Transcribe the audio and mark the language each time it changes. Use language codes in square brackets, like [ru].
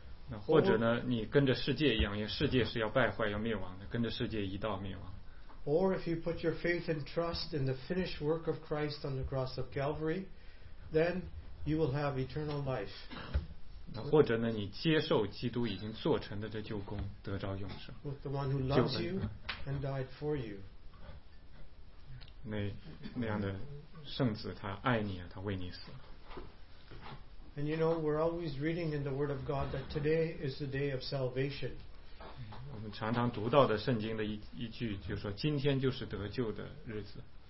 [zh] 那或者呢，你跟着世界一样，因为世界是要败坏、要灭亡的，跟着世界一道灭亡。 [en] Or if you put your faith and trust in the finished work of Christ on the cross of Calvary, then you will have eternal life. [zh] 那或者呢，你接受基督已经做成的这救工，得着永生。 [en] With the one who loves you and died for you. [zh] 那样的圣子他爱你啊，他为你死。 [en] And you know, we're always reading in the word of God that today is the day of salvation. [zh] 我们常常读到的圣经的一句就是说今天就是得救的日子。